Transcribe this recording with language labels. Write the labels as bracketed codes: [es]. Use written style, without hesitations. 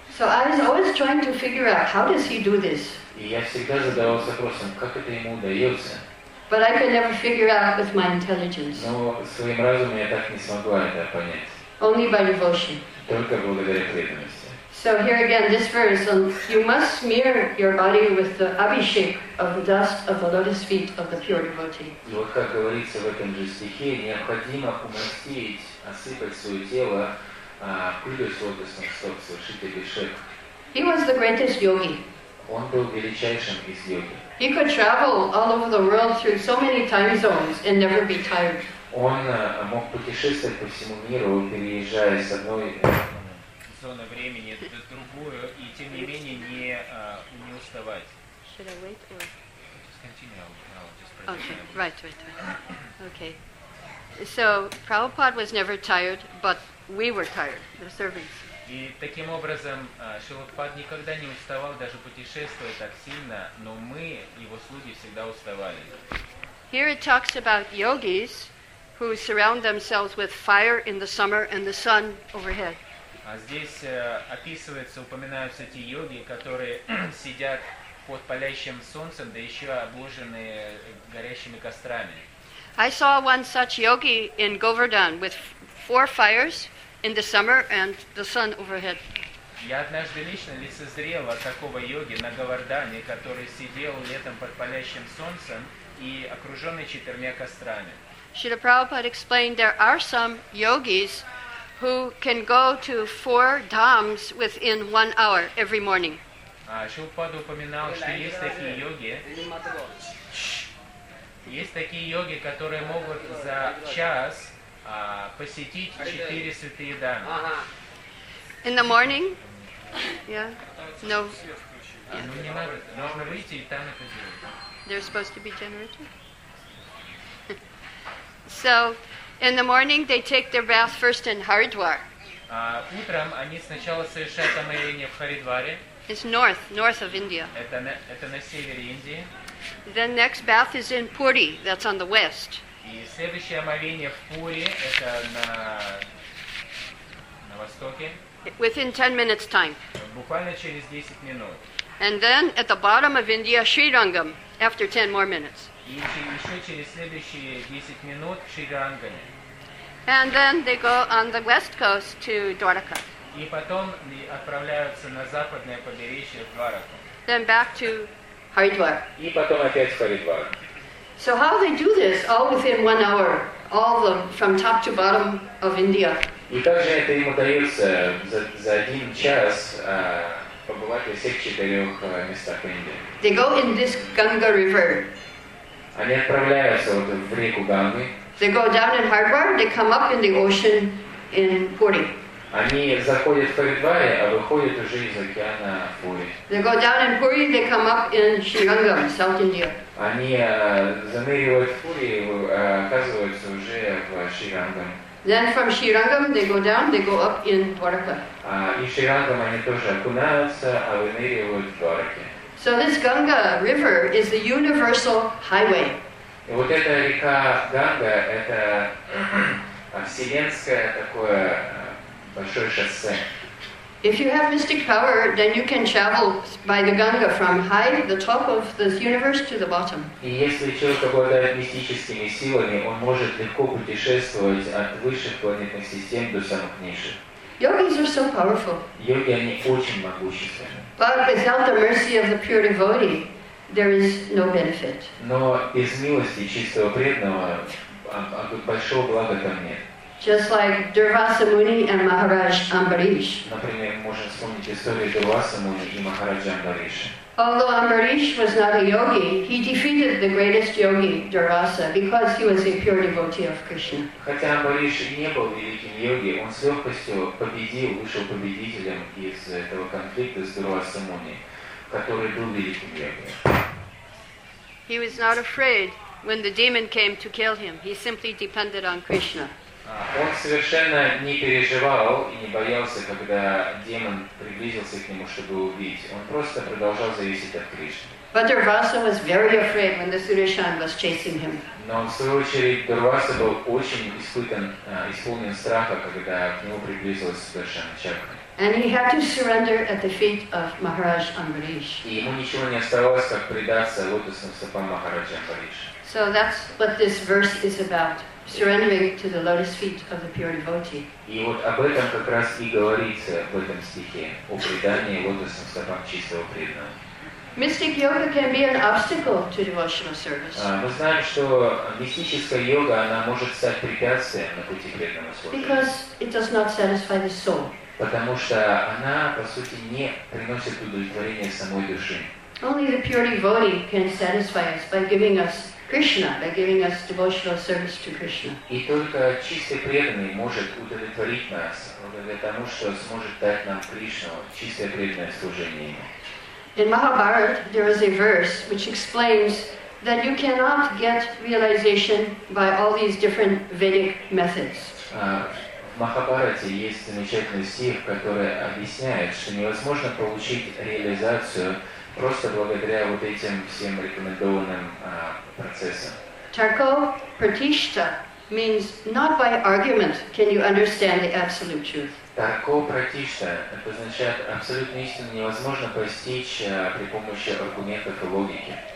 [en] So I was always trying to figure out how does he do this. [ru] И я всегда задавался вопросом, как это ему удается. [en] But I could never figure out with my intelligence. [ru] Но своим разумом я так не смогла это понять. [en] Only by devotion. [ru] Только благодаря преданности. [en] So here again, this verse: you must smear your body with the abhishek of the dust of the lotus feet of the pure devotee. [ru] И вот как говорится в этом же стихе, необходимо умастить, осыпать свое тело пылью с лотосных стоп, совершить абхишек. [en] He was the greatest yogi. [ru] Он был величайшим из йоги. [en] He could travel all over the world through so many time zones and never be tired. [ru] Он мог путешествовать по всему миру, переезжая с одной зоны времени в другую, и тем не менее не уставать. [en] Should I wait or? Just continue. I'll just okay. Right. Okay. So Prabhupada was never tired, but we were tired, the servants. [ru] И таким образом Шрила Прабхупада никогда не уставал даже путешествовать так сильно, но мы, его слуги, всегда уставали. [en] Here it talks about yogis who surround themselves with fire in the summer and the sun overhead. [ru] А здесь описывается, упоминаются те йоги, которые сидят под палящим солнцем, да еще обложенные горящими кострами. [en] I saw one such yogi in Govardhan with four fires in the summer and the sun overhead. [ru] Я однажды лично лицезрела такого йоги на Говардане, который сидел летом под палящим солнцем и окруженный четырьмя кострами. [en] Srila Prabhupada explained there are some yogis who can go to four dhams within 1 hour every morning. [ru] Srila Prabhupada упоминал, что есть такие йоги. Есть такие йоги, которые могут за час посетить четыре святые дамы. [en] In the morning? Yeah. No. [ru] Yeah. Ну не надо. Нужно выйти и там это сделать. [en] They're supposed to be generative. So, in the morning they take their bath first in Haridwar. [ru] Утром они сначала совершают омовение в Харидваре. [en] It's north of India. [ru] Это на севере Индии. [en] Then next bath is in Puri, that's on the west. [ru] И следующее омовение в Пури, это на востоке. [en] Within 10 minutes time. [ru] Буквально через 10 минут. [en] And then at the bottom of India, Srirangam, after 10 more minutes. [ru] И еще через следующие 10 минут в Шри-Рангане. [en] And then they go on the west coast to Dwarka. [ru] И потом отправляются на западное побережье в Двараку. [en] Then back to Haridwar. [ru] И потом опять в Харидвар. [en] So how they do this all within 1 hour, all the from top to bottom of India? [ru] И как же это им удается за один час побывать во всех четырех местах Индии? [en] They go in this Ganga River. [ru] Они отправляются вот в реку Ганги. [en] They go down in Haridwar, they come up in the ocean in Puri. [ru] Они заходят в Харидваре, а выходят уже из океана в Пури. [en] They go down in Puri, they come up in Srirangam, South India. [ru] Они заныривают в Пури, оказываются уже в Srirangam. [en] Then from Srirangam they go down, they go up in Dwarka. [ru] И Srirangam они тоже окунаются, а выныривают в Дварке. [en] So this Ganga River is the universal highway. [ru] И вот эта река Ганга это вселенское такое большое шоссе. [en] If you have mystic power, then you can travel by the Ganga from high, the top of this universe, to the bottom. [ru] И если человек обладает мистическими силами, он может легко путешествовать от высших планетных систем до самых низших. [en] Yogis are so powerful. [ru] Йоги они очень могущественны. [en] But without the mercy of the pure devotee, there is no benefit. [ru] Но без милости чистого преданного большого блага там нет. [en] Just like Durvasa Muni and Maharaj Ambarish. [ru] Например, можем вспомнить историю Дурвасаму и Махараджамбариши. [en] Although Ambarish was not a yogi, he defeated the greatest yogi, Durvasa, because he was a pure devotee of Krishna. [ru] Хотя Ambarish не был великим йоги, он с легкостью победил, вышел победителем из этого конфликта с Дурвасамуни, который был великим йоги. [en] He was not afraid when the demon came to kill him. He simply depended on Krishna. [ru] Он совершенно не переживал и не боялся, когда демон приблизился к нему, чтобы убить. Он просто продолжал зависеть от Кришны. [en] But Durvasa was very afraid when the Sudarshan was chasing him. [ru] Но в свою очередь Дурваса был очень исполнен страха, когда к нему приблизился Сударшан Чакра. [en] And he had to surrender at the feet of Maharaj Ambarish. [ru] И ему ничего не оставалось, как предаться лотосным стопам Махараджа Амбариша. [en] So that's what this verse is about. Surrendering to the lotus feet of the pure devotee. [ru] И вот об этом как раз и говорится в этом стихе, о предании лотосным стопам чистого преданного. [en] Mystic yoga can be an obstacle to devotional service. [ru] Мы знаем, что мистическая йога, она может стать препятствием на пути преданного служения. [en] Because it does not satisfy the soul. [ru] Потому что она, по сути, не приносит удовлетворения самой души. [en] Only the pure devotee can satisfy us by giving us Krishna, by giving us devotional service to Krishna. [ru] И только чистый преданный может удовлетворить нас, благодаря тому, что сможет дать нам Кришну, чистое преданное служение ему. [en] In Mahabharata, there is a verse which explains that you cannot get realization by all these different Vedic methods. [ru] В Махабхарате есть замечательный стих, который объясняет, что невозможно получить реализацию просто благодаря вот этим всем рекомендованным процессам. [en] Tarko pratishta means not by argument can you understand the absolute truth. [ru] Tarko pratishta означает абсолютную истину невозможно постичь при помощи аргументов и логики.